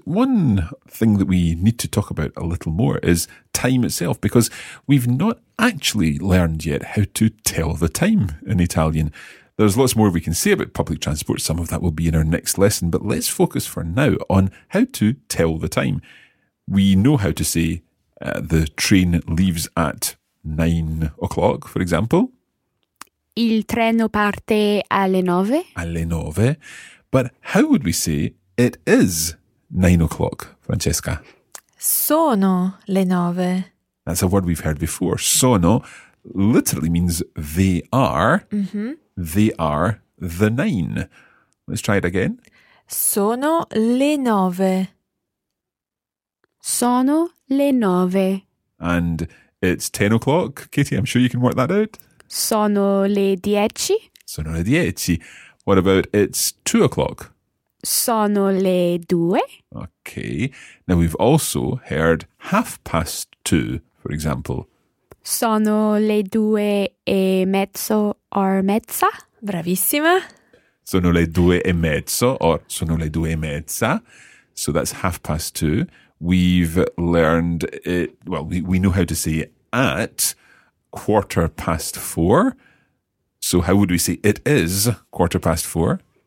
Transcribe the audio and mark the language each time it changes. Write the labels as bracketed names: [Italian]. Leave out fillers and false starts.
[English] One thing that we need to talk about a little more is time itself, because we've not actually learned yet how to tell the time in Italian. There's lots more we can say about public transport. Some of that will be in our next lesson, but let's focus for now on how to tell the time. We know how to say the train leaves at 9 o'clock, for example. [Italian] Il treno parte alle nove. Alle nove. [English] But how would we say it is 9 o'clock, Francesca? [Italian] Sono le nove. [English] That's a word we've heard before. Sono literally means they are. Mm-hmm. They are the nine. Let's try it again. [Italian] Sono le nove. Sono le nove. [English] And it's 10 o'clock. Katie, I'm sure you can work that out. [Italian] Sono le dieci. Sono le dieci. [English] What about it's 2 o'clock? [Italian] Sono le due. [English] Okay. Now we've also heard 2:30, for example. [Italian] Sono le due e mezzo or mezza. Bravissima. Sono le due e mezzo or sono le due e mezza. [English] So that's 2:30. We've learned it, well, we know how to say at 4:15. So how would we say it is 4:15?